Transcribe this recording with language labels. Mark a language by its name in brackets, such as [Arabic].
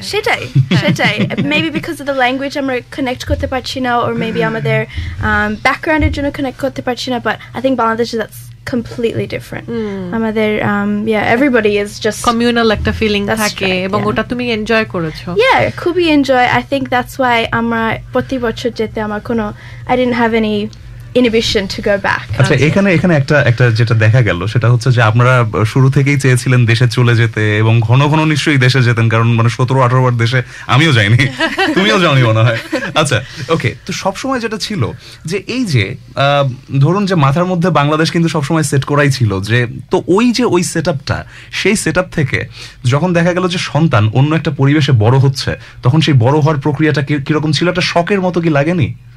[Bangla] সেটাই সেটাই [English] maybe because of the language [Bangla] আমরা কানেক্ট করতে পারছি না অর মেবি আমাদের ব্যাকগ্রাউন্ডের জন্য কানেক্ট করতে পারছি না [English] but I think Bangladesh that's completely different [Bangla] আমাদের [English] everybody is just [Bangla] communal একটা feeling থাকে এবং ওটা তুমি enjoy করেছো [English] yeah খুবই enjoy I think that's why [Bangla] আমরা প্রতি বছর যেতে আমার কোনো [English] I didn't have any inhibition to go back [Bangla] আচ্ছা এখানে এখানে একটা একটা যেটা দেখা গেল সেটা হচ্ছে যে আমরা শুরু থেকেই চেয়েছিলেন দেশে চলে যেতে এবং ঘন ঘন নিশ্চয়ই দেশে যেতেন কারণ মানে 17-18 বার দেশে আমিও যাইনি তুমিও যাওনি মনে হয় আচ্ছা ওকে তো সবসময় যেটা ছিল যে এই যে ধরুন যে মাথার মধ্যে বাংলাদেশ কিন্তু সবসময় সেট করাই ছিল যে তো ওই যে ওই সেট আপটা সেই সেট আপ থেকে যখন দেখা গেল যে সন্তান অন্য একটা পরিবেশে বড় হচ্ছে তখন সেই বড় হওয়ার প্রক্রিয়াটা কিরকম ছিল একটা শখের মতো কি লাগেনি